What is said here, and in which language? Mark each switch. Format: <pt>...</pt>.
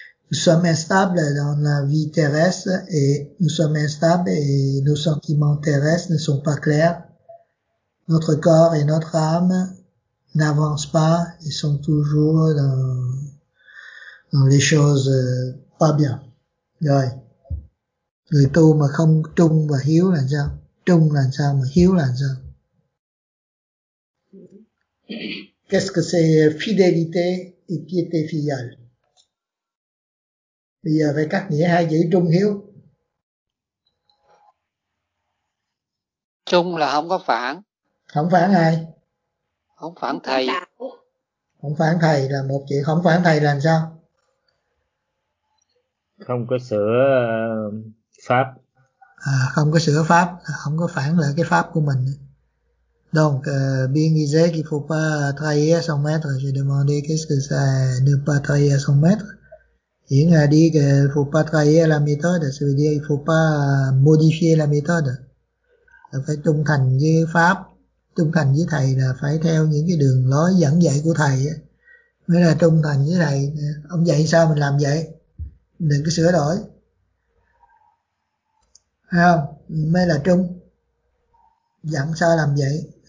<fr>Nous sommes instables dans la vie terrestre et nous sommes instables et nos sentiments terrestres ne sont pas clairs. Notre corps et notre âme n'avancent pas et sont toujours dans les choses pas bien.</fr> <vi>Rồi. Người tu mà không trung và hiếu là sao? Trung là sao mà hiếu là sao?</vi> <fr>Qu'est-ce que c'est fidélité et piété filiale?</fr> <vi>Bây giờ phải cắt nghĩa hai chữ trung hiếu. Trung là không có phản. Không phản ai? Không phản thầy. Không phản thầy là một chuyện. Không phản thầy là sao? Không có sửa pháp. À, không có sửa pháp. Không có phản lại cái pháp của mình.</vi> <fr>Donc, bien disé qu'il faut pas trahir son maître. J'ai demandé qu'est-ce que ça ne pas trahir son maître. Il a dit qu'il faut pas trahir la méthode, ça veut dire qu'il faut pas modifier la méthode.</fr> <vi>Là phải trung thành với pháp, trung thành với thầy là phải theo những cái đường lối dẫn dạy của thầy á. Mới là trung thành với thầy, ông dạy sao mình làm vậy? Đừng có sửa đổi. Thấy không? Mới là trung. Dẫn sao làm vậy?</vi>